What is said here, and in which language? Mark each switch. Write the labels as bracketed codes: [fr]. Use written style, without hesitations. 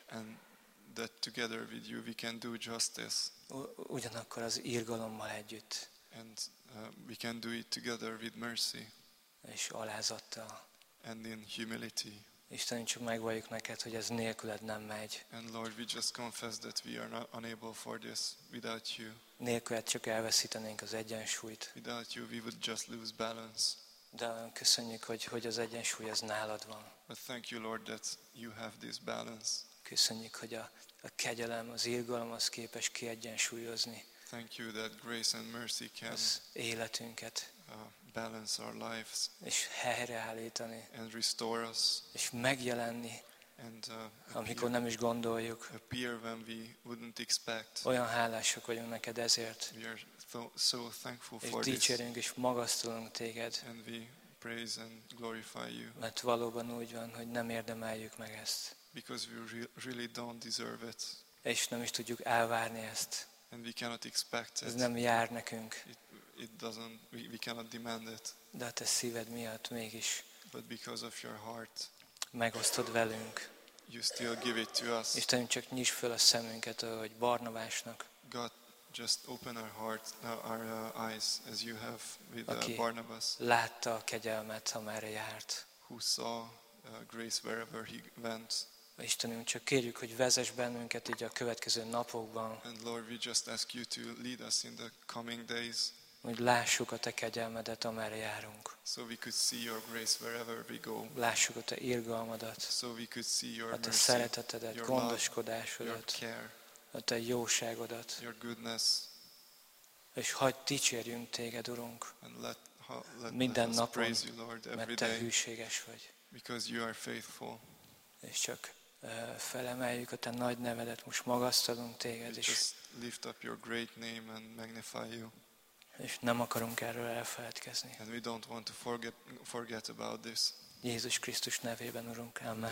[en] And that together with you we can do justice. [hu] Ugyanakkor az irgalommal együtt. [en] And we can do it together with mercy. [hu] És alázattal. [en] And in humility. [hu] Istenünk, csak megvalljuk neked, hogy ez nélküled nem megy. [en] And Lord, we just confess that we are not unable for this without you. [hu] Nélküled csak elveszítenénk az egyensúlyt. [en] Without you, we would just lose balance. [hu] De köszönjük, hogy az egyensúly az nálad van. [en] But thank you, Lord, that you have this balance. [hu] Köszönjük, hogy a kegyelem, az irgalom az képes kiegyensúlyozni. [en] Thank you that grace and mercy can [hu] az életünket. [en] Balance our lives. [hu] És helyreállítani. [en] And restore us. [hu] És megjelenni. [en] And [hu] amikor nem is gondoljuk. [en] Appear when we wouldn't expect. [hu] Olyan hálásak vagyunk neked ezért. [en] We are so thankful [hu] és [en] for [hu] dicsérünk [en] this. [hu] És magasztalunk téged. [en] And we praise and glorify you. [hu] Mert valóban úgy van, hogy nem érdemeljük meg ezt. [en] Because we really don't deserve it. [hu] És nem is tudjuk elvárni ezt. [en] And we cannot expect it. [hu] Ez nem jár nekünk. [en] We cannot demand it. [hu] De a te szíved miatt mégis. [en] But because of your heart. [hu] Megosztod velünk. [en] You still give it to us. [hu] Istenem, csak nyisd fel a szemünket, ahogy Barnabásnak. [en] God, just open our heart, our eyes, as you have with Barnabas. [hu] Látta a kegyelmet, amerre járt. [en] Who saw grace wherever he went. [hu] Istenünk, csak kérjük, hogy vezess bennünket így a következő napokban. [en] And Lord, we just ask you to lead us in the coming days. [hu] Hogy lássuk a te kegyelmedet, amerre járunk. [en] So we could see your grace wherever we go. [hu] Lássuk a te irgalmadat. [en] So we could see your [hu] a te [en] mercy, [hu] szeretetedet, [en] your [hu] gondoskodásodat. [en] Love, your care, [hu] a te jóságodat. [en] Your goodness. [hu] És hagyd dicsérjünk téged, Urunk. [en] And let, [hu] minden napon, [en] praise you, Lord, every [hu] mert te hűséges vagy. [en] Because you are faithful. [hu] És csak felemeljük a te nagy nevedet, most magasztalunk téged. [en] We just lift up your great name and magnify you. [hu] És nem akarunk erről elfeledkezni. [en] And we don't want to forget about this. [hu] Jézus Krisztus nevében, Urunk, amen.